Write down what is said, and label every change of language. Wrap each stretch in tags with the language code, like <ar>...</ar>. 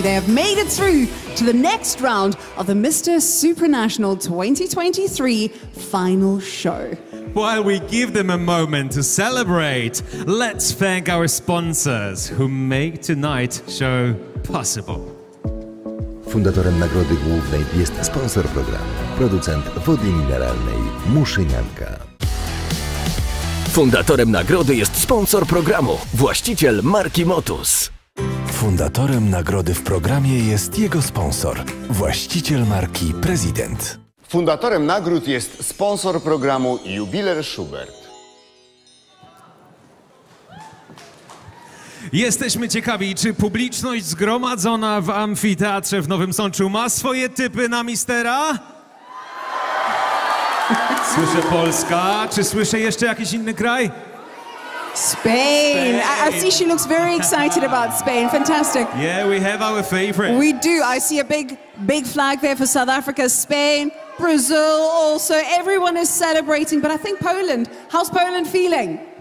<en>They have made it through to the next round of the Mr. Supranational 2023 final show. While we give them a moment to celebrate, let's thank our sponsors who make tonight's show possible.</en> <pl>Fundatorem Nagrody Głównej jest sponsor programu, producent wody mineralnej Muszynianka. Fundatorem Nagrody jest sponsor programu, właściciel marki Motus. Fundatorem Nagrody w programie jest jego sponsor, właściciel marki Prezydent. Fundatorem nagród jest sponsor programu Jubiler Schubert. Jesteśmy ciekawi, czy publiczność zgromadzona w amfiteatrze w Nowym Sączu ma swoje typy na mistera? Słyszę Polska. Czy słyszę jeszcze jakiś inny kraj?</pl> <en>Spain. Spain. I see she looks very excited about Spain. Fantastic. Yeah, we have our favorite. We do. I see a big, big flag there for South Africa, Spain. Brazil also, everyone is celebrating, but I think Poland, how's Poland feeling?</en>